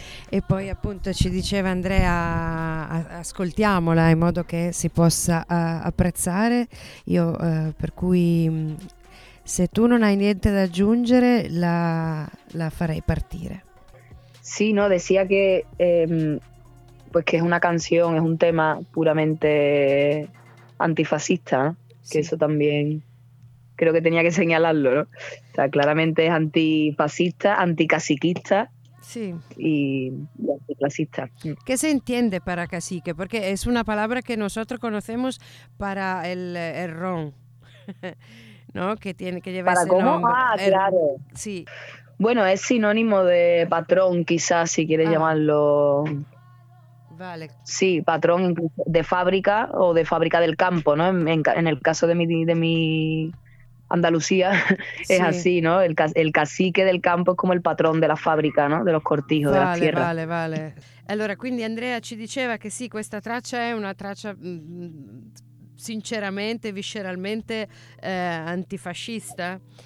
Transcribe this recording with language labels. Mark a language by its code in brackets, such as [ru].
[it] E poi appunto ci diceva Andrea ascoltiamola in modo che si possa apprezzare. Io per cui se tu non hai niente da aggiungere, la farei partire. [es] Sí, no, decía que pues que es una canción, es un tema puramente antifascista, ¿no? Sí. Que eso también creo que tenía que señalarlo, ¿no? O sea, claramente es antifascista, anticaciquista. Sí. Y anticlasista. ¿Qué se entiende para cacique? Porque es una palabra que nosotros conocemos para el ron. ¿No? Que tiene que llevar ¿para ese cómo? Nombre. Ah, claro. Sí. Bueno, es sinónimo de patrón, quizás, si quieres llamarlo. Vale. Sí, patrón de fábrica o de fábrica del campo, ¿no? En el caso de mi Andalucía, es sí. Así, ¿no? El cacique del campo es como el patrón de la fábrica, ¿no? De los cortijos, vale, de las tierras. Vale, vale. [it] Allora, quindi Andrea ci diceva che sì, questa traccia è una traccia sinceramente, visceralmente antifascista.